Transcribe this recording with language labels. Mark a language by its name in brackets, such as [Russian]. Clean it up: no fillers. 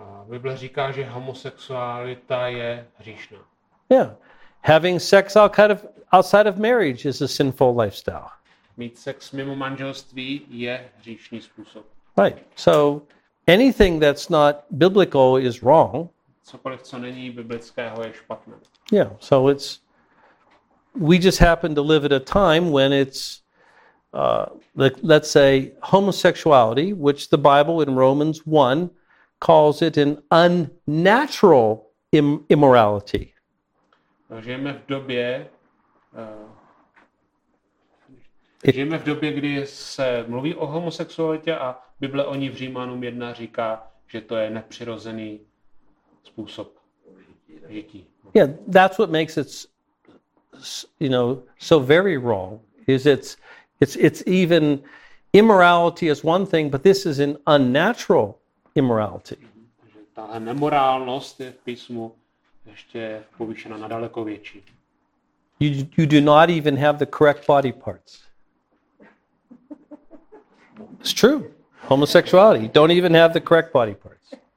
[Czech] Bible říká, že homosexualita je hříšná. [English] Yeah. Having sex outside of marriage is a sinful lifestyle. [Czech] Mít sex mimo manželství je hříšný způsob. [English] Right. So anything that's not biblical is wrong. [Czech] cokoliv, co není biblického, je špatné. [English] Yeah, so it's we just happen to live at a time when it's let's say homosexuality, which the Bible in Romans 1 calls it an unnatural immorality. [Czech] Žijeme v době žijeme v době, kdy se mluví o homosexualitě a Bible o ní v Římanům 1 říká, že to je nepřirozený způsob žití. [English] Yeah, that's what makes it, you know, so very wrong. Is it's even immorality is one thing, but this is an unnatural immorality. [Czech] Ta nemorálnost je v písmu ještě povýšena na daleko větší. [English] You do not even have the correct body parts. It's true. Homosexuality. You don't even have the correct body parts.